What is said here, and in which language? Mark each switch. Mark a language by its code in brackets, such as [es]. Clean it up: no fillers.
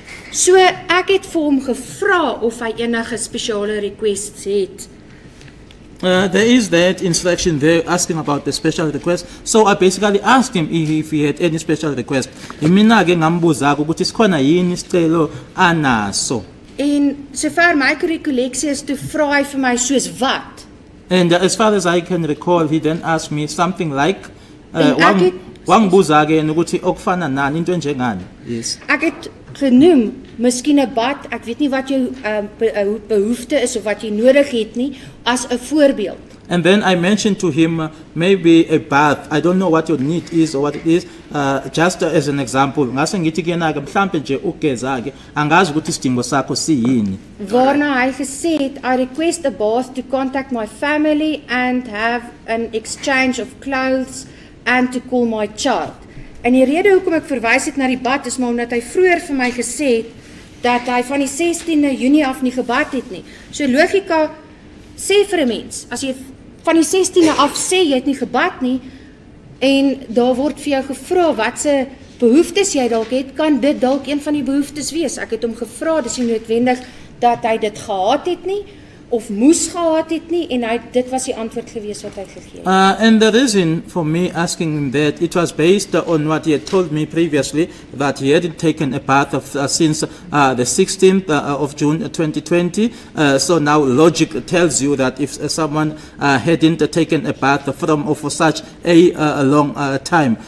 [af] So ek het vir hom gevra of hy enige spesiale requests het. [en] There is that instruction there asking about the special request. So I basically asked him if he had any special request. [zu] Imina ke ngambuzaka ukuthi sikhona yini isicelo anaso. [af] En sover my recollection is to vry vir my soos wat. [en] And as far as I can recall, he then asked me something like [zu] wangbuzake ukuthi okufana nani into enjengani. [en] Yes. [af] Ek het genoem miskien 'n bad, ek weet nie wat jou behoefte is of wat jy nodig het nie as 'n voorbeeld. [en] And then I mentioned to him maybe a bath. I don't know what your need is or what it is. Just as an example, [zu] ngase ngithi kuyena ke mhlambe nje ugeza ke angazi ukuthi isidingo sakho siyini. [af] Waarna hy gesê het [en] I request a bath to contact my family and have an exchange of clothes and to call my child. [af] En die rede hoekom ek verwys het na die bad is maar omdat hy vroeër vir my gesê het dat hy van die 16de Junie af nie gebad het nie. So logika sê vir 'n mens, as jy van die 16de af sê jy het nie gebad nie en daar word vir jou gevra watse behoeftes jy dalk het, kan dit dalk een van die behoeftes wees. Ek het hom gevra, dis nie noodwendig dat hy dit gehad het nie of moes gehad het nie en hy dit was die antwoord gewees wat hy gegee het. [en] And the reason for me asking him that, it was based on what he had told me previously that he had taken a bath of since the 16th of June 2020. So now logic tells you that if someone hadn't taken a bath from or for such a long time.